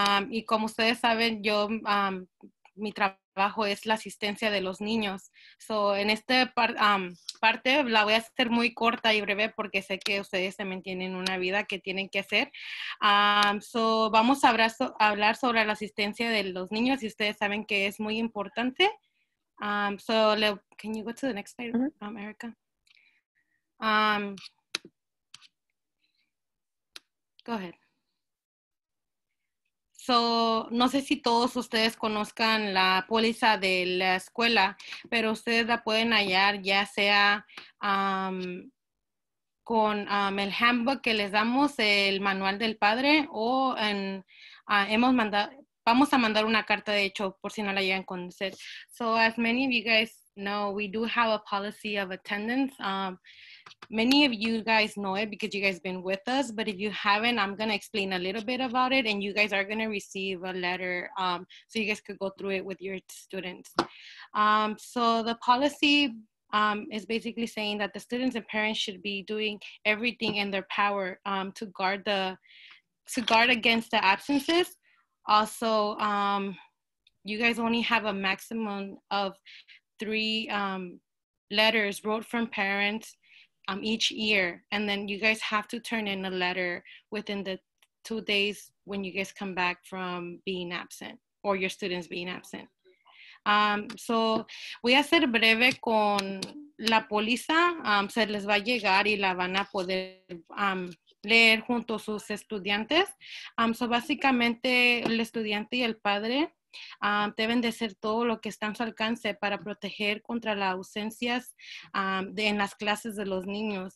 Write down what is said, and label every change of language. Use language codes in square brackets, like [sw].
[es] Y como ustedes saben, yo mi trabajo es la asistencia de los niños. So, en esta parte la voy a hacer muy corta y breve porque sé que ustedes también tienen una vida que tienen que hacer. So, vamos a hablar sobre la asistencia de los niños, y ustedes saben que es muy importante. [en] Can you go to the next slide, Erica? Go ahead. So, no sé si todos ustedes conozcan la póliza de la escuela, pero ustedes la pueden hallar ya sea con el handbook que les damos, el manual del padre, o en, hemos mandado, vamos a mandar una carta, de hecho, por si no la llegan a conocer. So, as many of you guys know, we do have a policy of attendance. Many of you guys know it because you guys have been with us, but if you haven't, I'm going to explain a little bit about it, and you guys are going to receive a letter so you guys could go through it with your students. So the policy is basically saying that the students and parents should be doing everything in their power to guard against the absences. Also, you guys only have a maximum of 3 letters wrote from parents each year, and then you guys have to turn in a letter within the 2 days when you guys come back from being absent or your students being absent. [es] So voy a ser breve con la póliza. Se les va a llegar y la van a poder leer junto a sus estudiantes. So básicamente el estudiante y el padre deben de hacer todo lo que está en su alcance para proteger contra las ausencias en las clases de los niños.